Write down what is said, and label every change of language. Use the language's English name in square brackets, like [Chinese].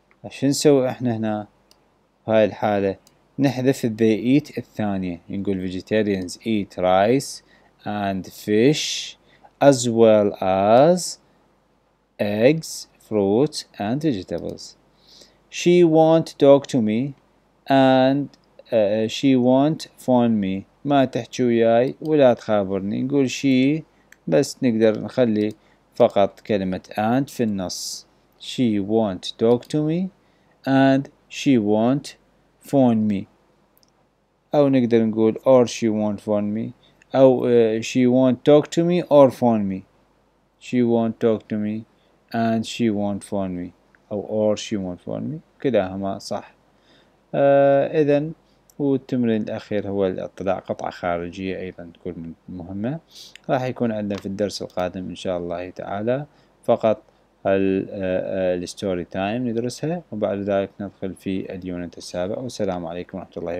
[Arabic] شو نسوي احنا هنا هاي الحالة؟ نحذف [English] they eat [Arabic] الثانية، نقول [English] vegetarians eat rice and fish as well as eggs, fruits and vegetables. She won't talk to me and she won't phone me. [Arabic] ما تحكي وياي ولا تخابرني. نقول she، بس نقدر نخلي فقط كلمة and في النص. [English] She won't talk to me and she won't phone me. [Arabic] أو نقدر نقول [English] or she won't phone me. أو she won't talk to me or phone me. She won't talk to me and she won't phone me. أو or she won't phone me. [Arabic] كلاهما صح. إذن والتمرين الأخير هو الاطلاع قطعة خارجية أيضا تكون مهمة. راح يكون عندنا في الدرس القادم إن شاء الله تعالى فقط الستوري تايم ندرسها، وبعد ذلك ندخل في اليونت السابع. والسلام عليكم ورحمة الله.